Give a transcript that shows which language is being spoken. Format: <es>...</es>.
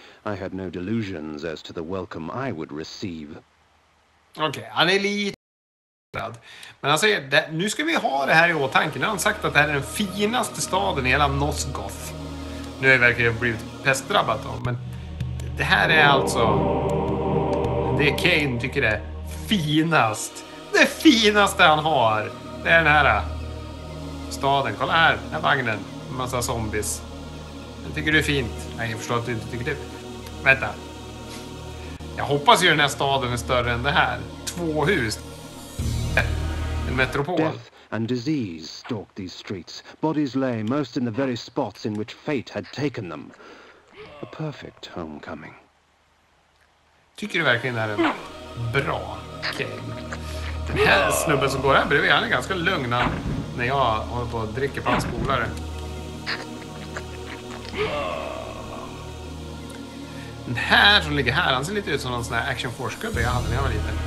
<en>I had no delusions as to the welcome I would receive.</en> <sv>Okej, han är lite... Men alltså, nu ska vi ha det här i åtanke. Nu har han sagt att det här är den finaste staden i hela Nosgoth. Nu är jag verkligen blivit pestdrabbat då, men det här är alltså... Det är Kane tycker det är finast. Det finaste han har, det är den här staden. Kolla här, den här vagnen. En massa zombies. Jag tycker det är fint. Nej, jag förstår att du inte tycker det. Vänta. Jag hoppas ju den här staden är större än det här. 2 hus. En metropol.</sv> <en>Death and disease stalk these streets. Bodies lay most in the very spots in which fate had taken them. A perfect homecoming.</en> <sv>Tycker du verkligen det här är en bra game? Den här snubben som går här bredvid, han är ganska lugn när jag håller på att dricka på hans polare. Den här som ligger här, han ser lite ut som någon sån här Action Force-gubbe jag hade när jag var liten.</sv>